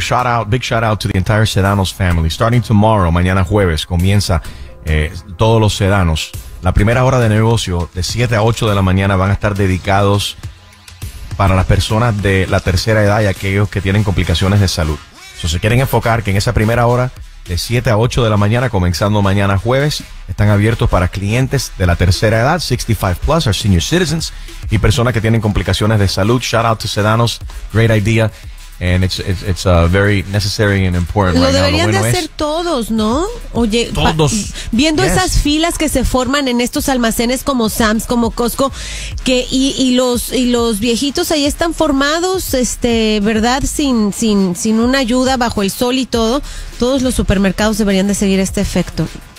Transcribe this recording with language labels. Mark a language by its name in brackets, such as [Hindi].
[English] Shout out, big shout out to the entire Sedanos family. Starting tomorrow, [Spanish] mañana jueves, comienza todos los Sedanos. La primera hora de negocio de 7 a 8 de la mañana van a estar dedicados para las personas de la tercera edad y aquellos que tienen complicaciones de salud. So, se quieren enfocar que en esa primera hora de 7 a 8 de la mañana, comenzando mañana jueves, están abiertos para clientes de la tercera edad, [English] 65 plus, our senior citizens, [Spanish] y personas que tienen complicaciones de salud. [English] Shout out to Sedanos, great idea, and it's very necessary and important. [Spanish] Lo deberían de hacer todos, ¿no? Oye, todos. Viendo esas filas que se forman en estos almacenes como Sam's, como Costco, que y los viejitos ahí están formados, ¿verdad? Sin una ayuda, bajo el sol y todo. Todos los supermercados deberían de seguir este efecto.